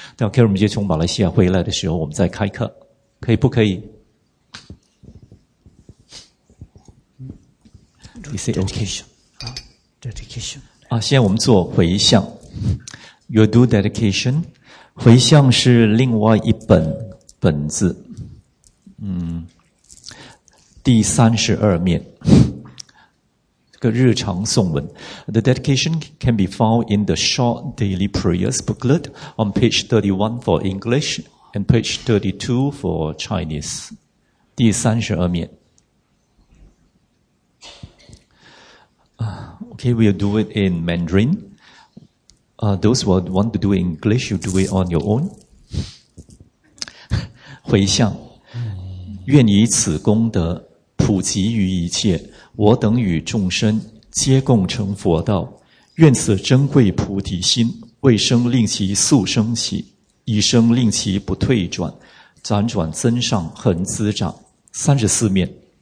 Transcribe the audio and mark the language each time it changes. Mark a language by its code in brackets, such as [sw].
[zh] 等 Karen 就从马来西亚回来的时候，我们再开课，可以不可以 ？ [en] Is it dedication? Dedication. [zh] 现在我们做回向。 [en] You do dedication. [zh] 回向是另外一本子，第32面。个日常诵文 [en] ，The dedication can be found in the short daily prayers booklet on page 31 for English and page 32 for Chinese. [zh] 第32面。 [en] Okay, we'll do it in Mandarin. Those who want to do it in English, you do it on your own. [zh] 回向，愿以此功德普及于一切。我等与众生皆共成佛道，愿此珍贵菩提心为生令其速生起，以生令其不退转，辗转增上恒滋长。34面，